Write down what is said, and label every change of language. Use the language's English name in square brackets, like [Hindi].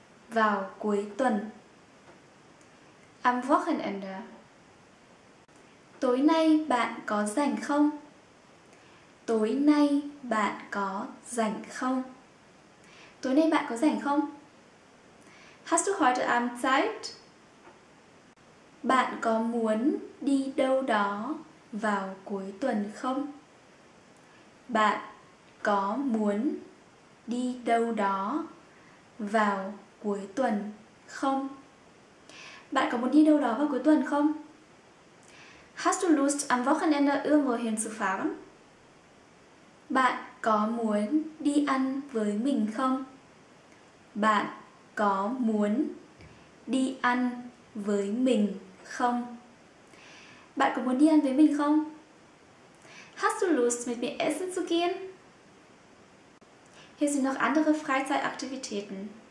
[Vietnamese] Vào cuối tuần, [German] am Wochenende. [Vietnamese] Tối nay bạn có rảnh không? Tối nay bạn có rảnh không? Tối nay bạn có rảnh không? [German] Hast du heute Abend Zeit? [Vietnamese] Bạn có muốn đi đâu đó vào cuối tuần không? Bạn có muốn đi đâu đó vào cuối tuần không? Bạn có muốn đi đâu đó vào cuối tuần không? [German] Hast du Lust am Wochenende irgendwo hinzufahren? [Vietnamese] Bạn có muốn đi ăn với mình không? Bạn có muốn đi ăn với mình không? Bạn có muốn đi ăn với mình không? [German] Hast du Lust mit mir essen zu gehen? Hier sind noch andere Freizeitaktivitäten.